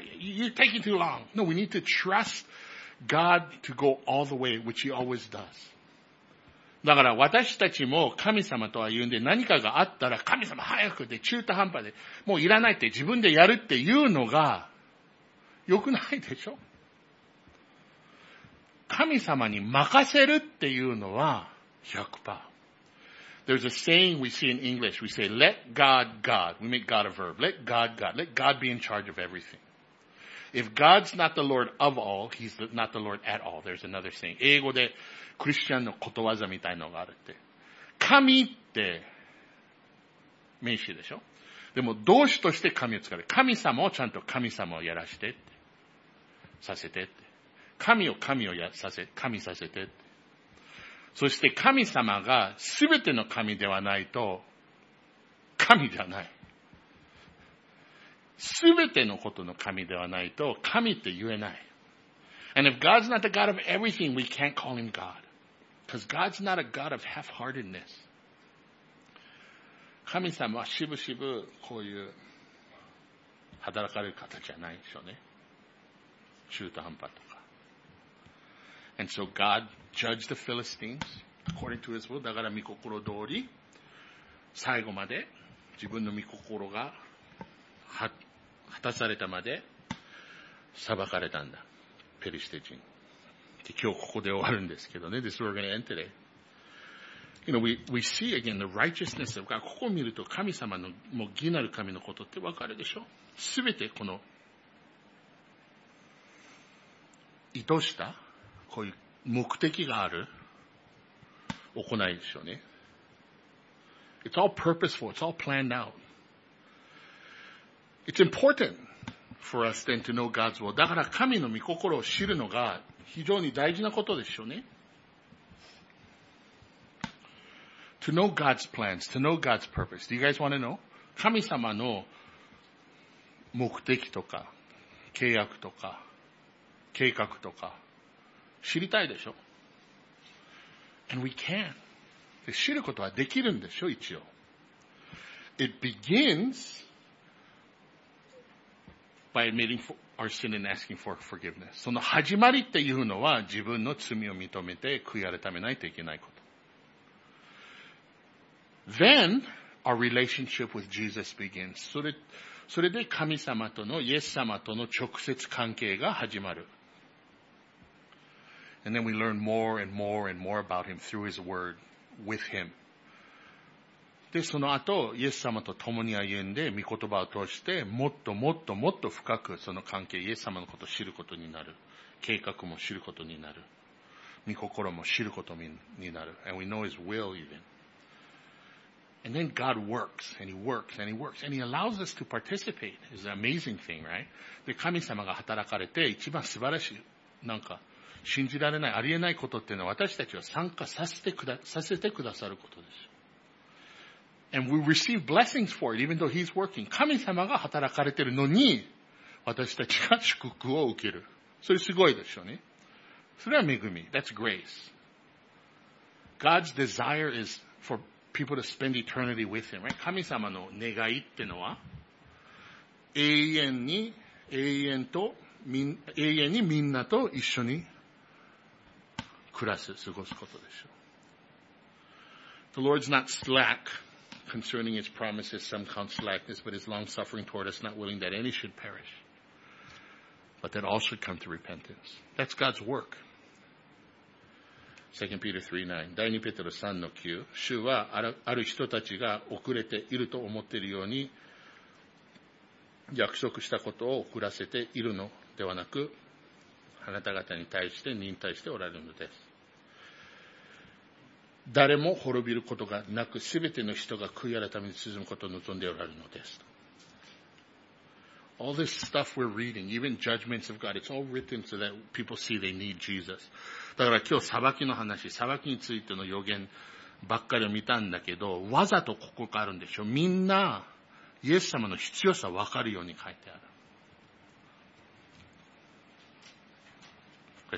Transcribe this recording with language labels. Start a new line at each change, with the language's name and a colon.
English: You're taking too long. No, we need to trust God to go all the way, which he always does.
Japanese: だから私たちも神様とは言うんで何かがあったら神様早くで中途半端でもういらないって自分でやるっていうのが良くないでしょ。神様に任せるっていうのは 100%。
English: There's a saying we see in English. We say, let God, God. We make God a verb. Let God, God. Let God be in charge of everything. If God's not the Lord of all, he's not the Lord at all. There's another saying.
Japanese: 英語でクリスチャンのことわざみたいのがあるって。神って名詞でしょ？でも動詞として神を使う。神様をちゃんと神様をやらしてって。させてって。神を神をやさせ、神させてって。そして神様が全ての神ではないと神じゃない。全てのことの神ではないと神って言えない。
English: And if God's not the God of everything, we can't call him God. Because God's not a God of half-heartedness.
Japanese: 神様はしぶしぶこういう働かれる方じゃないでしょうね。中途半端と。
English: And so God judged the Philistines according to his will.
Japanese: だから御心通り、最後まで自分の御心が果たされたまで裁かれたんだ。ペリシテ人。で、今日ここで終わるんですけどね。
English: This is where we're going to end today. You know, we see again the righteousness of God.
Japanese: ここを見ると神様の、もう義なる神のことってわかるでしょ？すべてこの、意図した、こういう目的がある行いでしょうね。
English: It's all purposeful. It's all planned out. It's important for us then to know God's will.
Japanese: だから神の御心を知るのが非常に大事なことでしょうね。
English: To know God's plans, to know God's purpose. Do you guys want to know?
Japanese: 神様の目的とか、契約とか、計画とか、知りたいでしょ。
English: And we can.
Japanese: 知ることはできるんでしょ、一応。
English: It begins by admitting for, our sin and asking for forgiveness.
Japanese: その始まりっていうのは自分の罪を認めて悔い改めないといけないこと。
English: Then, our relationship with Jesus begins.
Japanese: それで神様との、イエス様との直接関係が始まる。
English: And then we learn more and more and more about him through his word with him.
Japanese: で、その後、イエス様と共に歩んで、御言葉を通して、もっともっともっと深くその関係、イエス様のことを知ることになる。計画も知ることになる。御心も知ることになる。
English: And we know his will even. And then God works, and He works, and He works, and He allows us to participate. It's an amazing thing, right?
Japanese: で、神様が働かれて、一番素晴らしい、なんか、信じられない、ありえないことっていうのは、私たちは参加させてくださることです。
English: And we receive blessings for it, even though He's working.
Japanese: 神様が働かれてるのに、私たちが祝福を受ける。それすごいでしょうね。それは恵み。
English: That's grace. God's desire is for... people to spend eternity with him, right?
Japanese: 神様の願いってのは、永遠にみんなと一緒に暮らす、過ごすことでしょう。
English: The Lord's not slack concerning his promises, some count slackness, but is long-suffering toward us, not willing that any should perish, but that all should come to repentance. That's God's work. 2 Peter 3:9,
Japanese: 第2ペテロ3の9、主はある人たちが遅れていると思っているように、約束したことを遅らせているのではなく、あなた方に対して忍耐しておられるのです。誰も滅びることがなく、すべての人が悔い改めに進むことを望んでおられるのです。
English: All this stuff we're reading, even judgments of God, it's all written so that people see they need Jesus.
Japanese: だから今日裁きの話、裁きについての予言ばっかり見たんだけど、わざとここがあるんでしょ。みんな、イエス様の必要さわかるように書いてある。